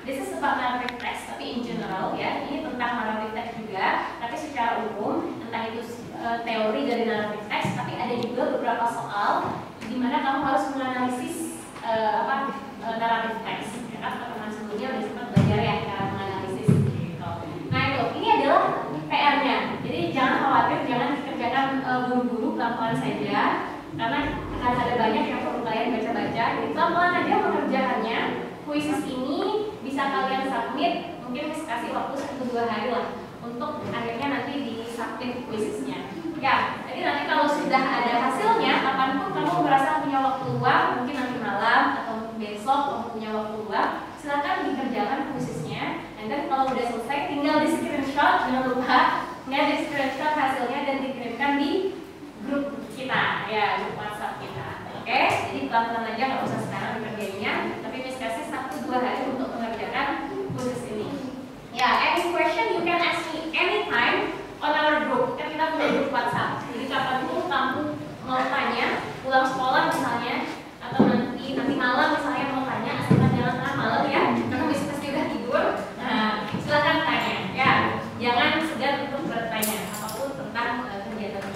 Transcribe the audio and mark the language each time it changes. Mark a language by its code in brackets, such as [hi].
[en] This is about narrative text, tapi in general ya. [id] Ini tentang narrative text juga, tapi secara umum tentang itu teori dari narrative text. Tapi ada juga beberapa soal di mana kamu harus menganalisis narrative text. Ya kan, pertemuan sebelumnya udah sempat belajar ya cara menganalisis gitu. Nah itu, ini adalah PR-nya. Jadi jangan khawatir, jangan dikerjakan buru-buru, pelan-pelan saja. Karena akan ada banyak yang perlu kalian baca-baca. Jadi pelan-pelan aja pengerjaannya. Kuisis ini bisa kalian submit, mungkin kasih waktu 1-2 hari lah untuk akhirnya nanti di-submit kuisisnya. Ya, jadi nanti kalau sudah ada hasilnya, kapanpun kamu merasa punya waktu luang, mungkin nanti malam atau besok kamu punya waktu luang, silakan dikerjakan kuisisnya. Dan nanti kalau sudah selesai, tinggal di-screenshot. Jangan lupa, ya, di-screenshot hasilnya dan dikirimkan di grup kita, ya, grup WhatsApp kita. Oke, okay? Jadi pelan-pelan aja, gak usah sekarang dikerjainnya. Tapi Miss kasih 1-2 hari untuk mengerjakan khusus ini. [en] Ya, yeah, any question you can ask me anytime on our group. [id] Kan kita punya grup WhatsApp. Jadi kapanpun kamu mau tanya, pulang sekolah misalnya, atau nanti malam misalnya mau tanya, asalkan jalan tengah malam ya, kamu bisa pasti udah tidur, nah, silakan tanya. Ya, yeah. Jangan segan untuk bertanya apapun tentang oke, okay.